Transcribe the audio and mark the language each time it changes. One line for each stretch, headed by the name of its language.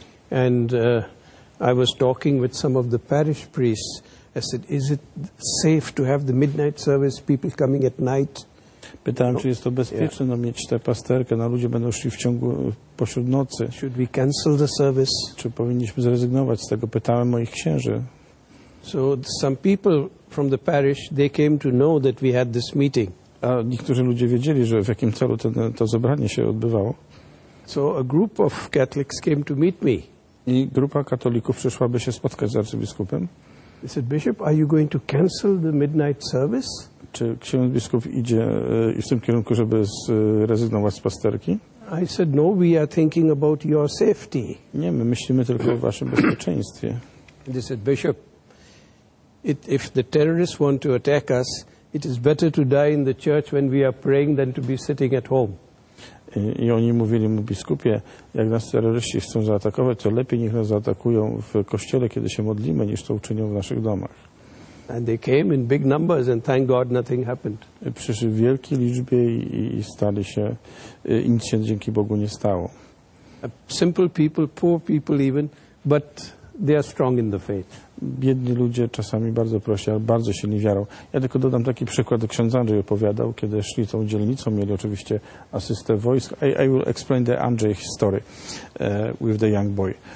English: And I was talking with some of the parish priests. I said, is it safe to have the midnight service, people coming at night?
Polish: Pytałem, czy jest to bezpieczne, no, mieć tę pasterkę, no, ludzie będą szli w ciągu, pośród nocy.
English: Should we cancel the service?
Polish: Czy powinniśmy zrezygnować z tego? Pytałem moich księży.
English: So some people from the parish, they came to know that we had this meeting.
Polish: a niektórzy ludzie wiedzieli, że w jakim celu to zebranie się odbywało.
English: So a group of Catholics came to meet me.
Polish: I grupa katolików przyszła, by się spotkać z arcybiskupem.
English: He said, Bishop, are you going to cancel the midnight service?
Polish: Czy ksiądz biskup idzie w tym kierunku, żeby zrezygnować z pasterki?
English: I said, no, we are thinking about your safety.
Polish: Nie, my myślimy tylko o waszym bezpieczeństwie.
English: And he said, Bishop, if the terrorists want to attack us, it is better to die in the church when we are praying than to be sitting at home.
Polish: I oni mówili mu, biskupie, jak nas terroryści chcą zaatakować, to lepiej niech nas zaatakują w kościele, kiedy się modlimy, niż to uczynią w naszych domach.
English: And they came in big numbers and thank God nothing happened.
Polish: Przyszli w wielkiej liczbie i stali się, i nic się dzięki Bogu nie stało.
English: Simple people, poor people even, but they are strong in the faith.
Polish: Biedni ludzie, czasami bardzo prosi, ale bardzo silni wiarą. Ja tylko dodam taki przykład, ksiądz Andrzej opowiadał, kiedy szli tą dzielnicą, mieli oczywiście asystę wojsk.
English: I will explain the Andrzej story with the young boy.